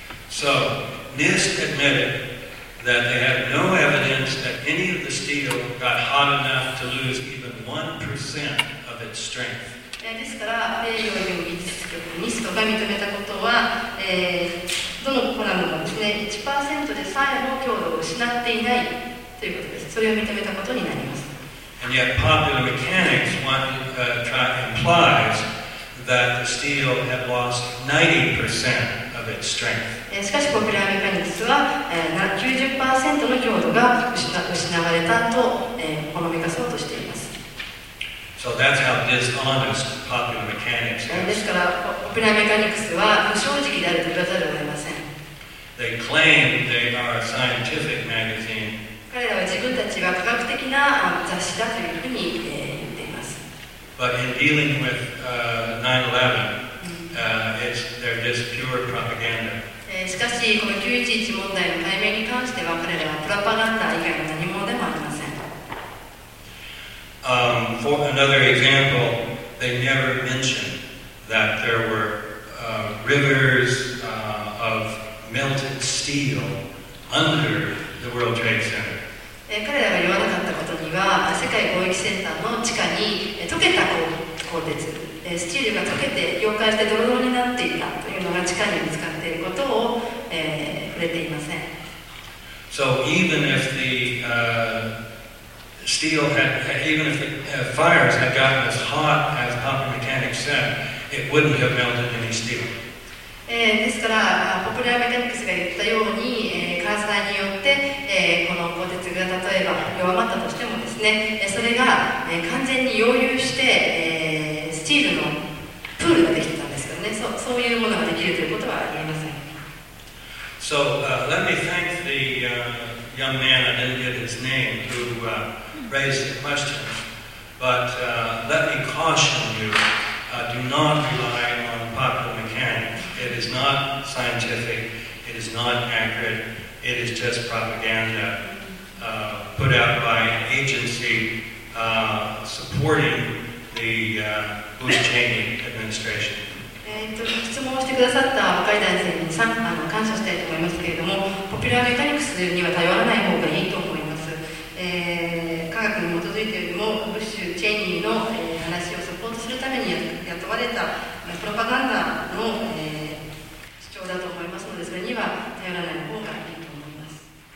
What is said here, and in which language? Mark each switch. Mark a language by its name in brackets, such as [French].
[English] So, NIST admitted that they had no evidence that any of the steel got hot enough to lose even 1% of its strength. [Japanese] ですから、米洋洋技術局ニストが認めたことは、どのコラムもですね、1% でさえも強度を失っていないということです。それを認めたことになります。 [English] And yet, popular mechanics implies that the steel had lost 90% of of its strength. [Japanese] しかしポピュラーメカニクスは 90% の強度が失われたとほのめかそうとしています。 [English] So that's how dishonest popular mechanics is. [Japanese] ですからポピュラーメカニクスは不正直であると言わざるを得ません。 [English] They claim they are a scientific magazine. [Japanese] 彼らは自分たちは科学的な雑誌だというふうに言っています。 [English] But in dealing with 9/11it's they're just pure propaganda. [Japanese] しかしこの911問題の解明に関しては彼らはプロパガンダ以外の何もでもありません。 [English] For another example, they never mentioned that there were rivers of melted steel under the World Trade Center. [Japanese] 彼らが言わなかったことには世界貿易センターの地下に溶けた鋼鉄スチールが溶けて溶解してドロドロになっていたというのが地下に見つかっていることを、触れていません。 [English] So even if the steel had, even if the fires had gotten as hot as popular mechanics said, it wouldn't have melted any steel. [Japanese] ですから、ポピュラーメカニクスが言ったように、火災によって、この鋼鉄が例えば弱まったとしてもですね、それが、完全に溶融して、スチールのプールができてたんですけどね、そういうものができるということは言えません。 [English] So, let me thank the young man, I didn't get his name, who raised the question. But let me caution you, do not rely on popular mechanics. It is not scientific, it is not accurate, it is just propaganda put out by an agency supporting the [Japanese] 質問をしてくださった若い男性に感謝したいと思いますけれども、ポピュラーメカニクスには頼らない方がいいと思います。科学に基づいているよりも、ブッシュ・チェイニーの、話をサポートするために雇われたプロパガンダの、主張だと思いますので、それには頼らない方がいいと思います。